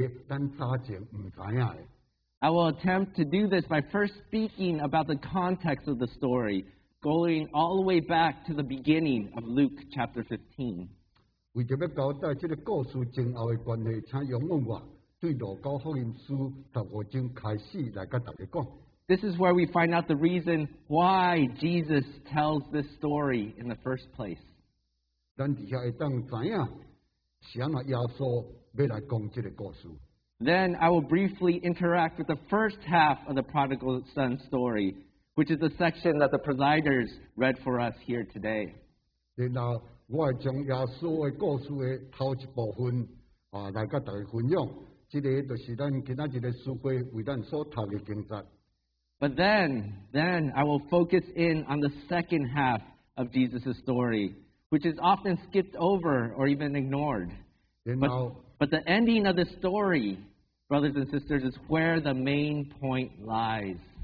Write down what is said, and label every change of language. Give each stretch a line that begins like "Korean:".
English: I will attempt to do this by first speaking about the context of the story, going all the way back to the beginning of Luke chapter 15.
Min Nan Chinese: 为着要交代这个故事前后的关系，请容我对路加福音书15章开始来跟大家讲。
English: This is where we find out the reason why Jesus tells this story in the first place.
Min Nan Chinese: 咱底下会当知影，是安那耶稣要来讲这个故事。
English: Then I will briefly interact with the first half of the prodigal son story, which is the section that the presiders read for us here today.
Min Nan Chinese: 然后。我会将耶稣的故事的头一部分啊，来甲大家分享。这个就是咱今仔日的书会为咱所读的经节。
English: But then I will focus in on the second half of Jesus' story, which is often skipped over or even ignored. But the ending of the story, brothers and sisters, is where the main point lies.